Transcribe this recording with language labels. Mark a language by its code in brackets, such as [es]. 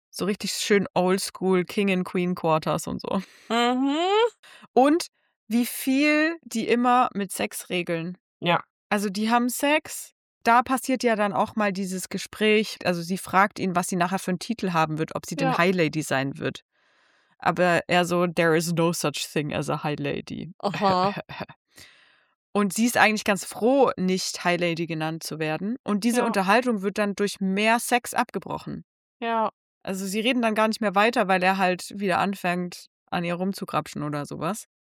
[de] So richtig schön oldschool [en] King and Queen Quarters [de] und so. Mhm. Und wie viel die immer mit Sex regeln. Ja. Also die haben Sex. Da passiert ja dann auch mal dieses Gespräch. Also sie fragt ihn, was sie nachher für einen Titel haben wird, ob sie denn High Lady sein wird. Aber er so, [en] there is no such thing as a High Lady. [de] Aha. Und sie ist eigentlich ganz froh, nicht High Lady genannt zu werden. Und diese Unterhaltung wird dann durch mehr Sex abgebrochen. Ja. Also sie reden dann gar nicht mehr weiter, weil er halt wieder anfängt, an ihr rumzugrapschen oder sowas.